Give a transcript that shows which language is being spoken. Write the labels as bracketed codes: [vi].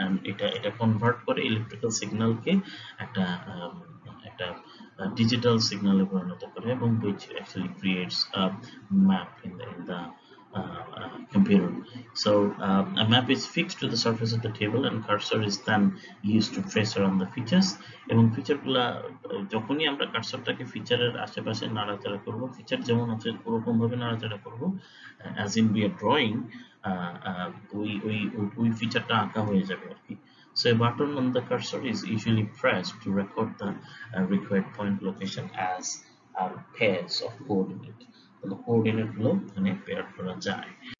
[bn] এটা এটা কনভার্ট করে ইলেকট্রিক্যাল সিগন্যালকে একটা একটা ডিজিটাল সিগন্যালে পরিণত করে, এবং [en] Which actually creates map in the computer. So a map is fixed to the surface of the table and cursor is then used to trace around the features. [bn] এবং feature গুলা যখনই আমরা কার্সরটাকে ফিচারের আশেপাশে নাড়াচাড়া করবো, ফিচার যেমন আছে ওরকম ভাবে নাড়াচাড়া করবো, [en] as in we are drawing, [bn] ওই ওই ওই ফিচারটা আঁকা হয়ে যাবে আর কি। [en] so a button on the cursor is usually press to record the required point location as pairs of coordinate, [bn] তাহলে কোঅর্ডিনেট গুলো এখানে পেয়ার করা যায়।